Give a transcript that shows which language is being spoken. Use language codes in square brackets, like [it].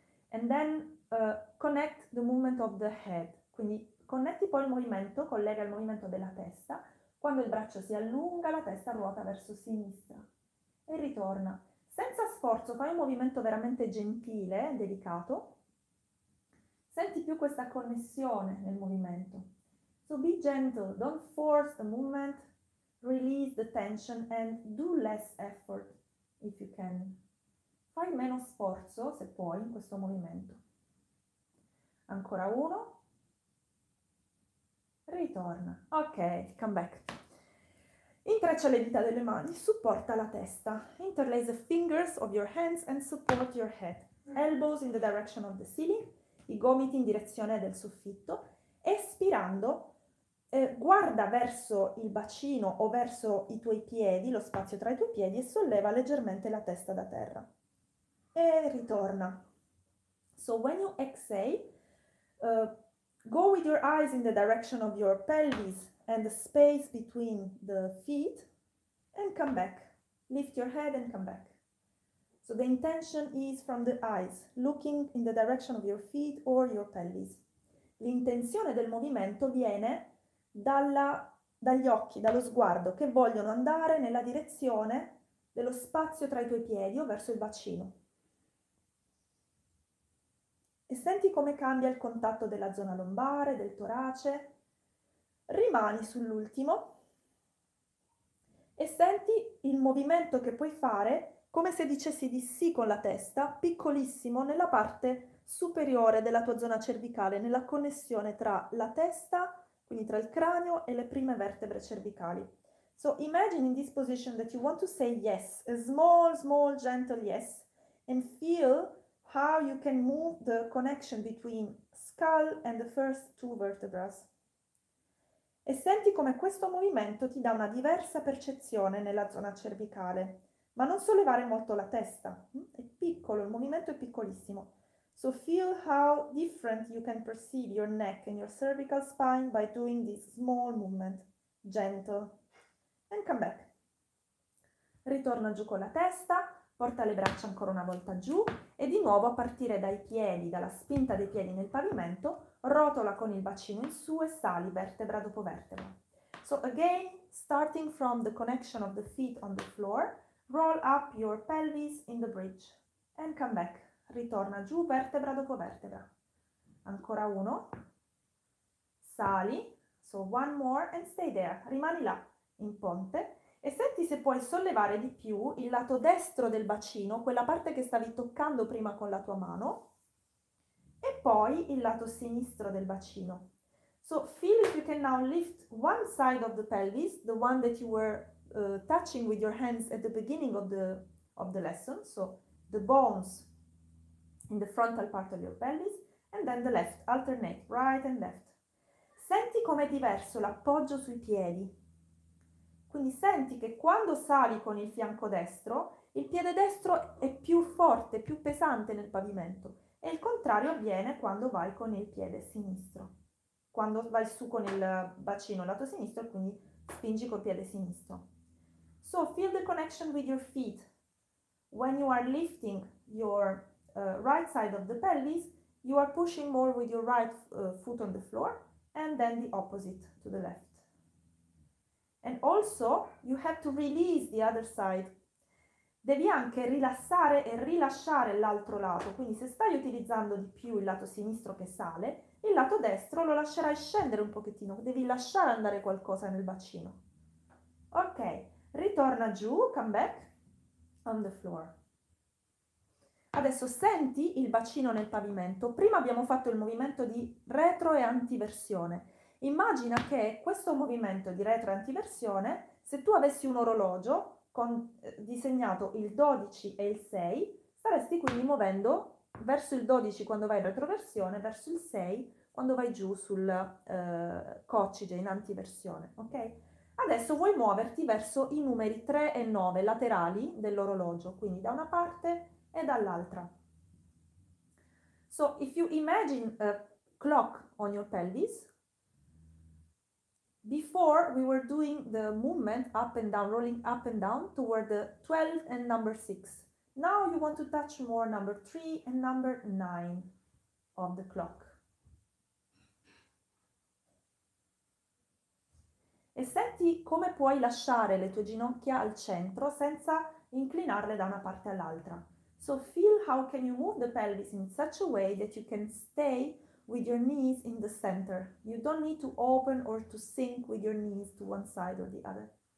[en] And then connect the movement of the head. [it] Quindi connetti poi il movimento, collega il movimento della testa. Quando il braccio si allunga, la testa ruota verso sinistra. E ritorna. Senza sforzo, fai un movimento veramente gentile, delicato. Senti più questa connessione nel movimento. [en] So be gentle, don't force the movement, release the tension and do less effort if you can. [it] Fai meno sforzo, se puoi, in questo movimento. Ancora uno. Ritorna. Ok, [en] come back. [it] Intreccia le dita delle mani, supporta la testa. [en] Interlace the fingers of your hands and support your head. Elbows in the direction of the ceiling, [it] i gomiti in direzione del soffitto, espirando. Guarda verso il bacino o verso i tuoi piedi, lo spazio tra i tuoi piedi, e solleva leggermente la testa da terra. E ritorna. [en] So when you exhale, go with your eyes in the direction of your pelvis and the space between the feet and come back. Lift your head and come back. So the intention is from the eyes, looking in the direction of your feet or your pelvis. [it] L'intenzione del movimento viene dagli occhi, dallo sguardo, che vogliono andare nella direzione dello spazio tra i tuoi piedi o verso il bacino. E senti come cambia il contatto della zona lombare, del torace. Rimani sull'ultimo, senti il movimento che puoi fare come se dicessi di sì con la testa, piccolissimo, nella parte superiore della tua zona cervicale, nella connessione tra la testa, quindi tra il cranio e le prime vertebre cervicali. [en] So imagine in this position that you want to say yes, a small, small, gentle yes, and feel how you can move the connection between skull and the first two vertebras. [it] E senti come questo movimento ti dà una diversa percezione nella zona cervicale, ma non sollevare molto la testa. È piccolo, il movimento è piccolissimo. [en] So feel how different you can perceive your neck and your cervical spine by doing this small movement, gentle. And come back. [it] Ritorna giù con la testa, porta le braccia ancora una volta giù e di nuovo a partire dai piedi, dalla spinta dei piedi nel pavimento, rotola con il bacino in su e sali vertebra dopo vertebra. [en] So again, starting from the connection of the feet on the floor, roll up your pelvis in the bridge and come back. [it] Ritorna giù vertebra dopo vertebra. Ancora uno. Sali. [en] So one more and stay there. [it] Rimani là in ponte e senti se puoi sollevare di più il lato destro del bacino, quella parte che stavi toccando prima con la tua mano, e poi il lato sinistro del bacino. [en] So feel if you can now lift one side of the pelvis, the one that you were touching with your hands at the beginning of the lesson, so the bones in the frontal part of your pelvis, and then the left, alternate, right and left. [it] Senti com'è diverso l'appoggio sui piedi. Quindi senti che quando sali con il fianco destro, il piede destro è più forte, più pesante nel pavimento. E il contrario avviene quando vai con il piede sinistro. Quando vai su con il bacino lato sinistro, quindi spingi col piede sinistro. [en] So feel the connection with your feet. When you are lifting your right side of the pelvis, you are pushing more with your right foot on the floor and then the opposite to the left. And also, you have to release the other side. [it] Devi anche rilassare e rilasciare l'altro lato. Quindi se stai utilizzando di più il lato sinistro che sale, il lato destro lo lascerai scendere un pochettino. Devi lasciare andare qualcosa nel bacino. Ok, ritorna giù, [en] come back, on the floor. [it] Adesso senti il bacino nel pavimento. Prima abbiamo fatto il movimento di retro e antiversione. Immagina che questo movimento di retro e antiversione, se tu avessi un orologio con disegnato il 12 e il 6, staresti quindi muovendo verso il 12 quando vai in retroversione, verso il 6 quando vai giù sul coccige in antiversione, ok? Adesso vuoi muoverti verso i numeri 3 e 9 laterali dell'orologio, quindi da una parte e dall'altra. [en] So, if you imagine a clock on your pelvis, before we were doing the movement up and down, rolling up and down toward the 12 and number 6. Now you want to touch more number 3 and number 9 of the clock. [it] E senti come puoi lasciare le tue ginocchia al centro senza inclinarle da una parte all'altra. [en] So feel how can you move the pelvis in such a way that you can stay with your knees in the center. You don't need to open or to sink with your knees to one side or the other.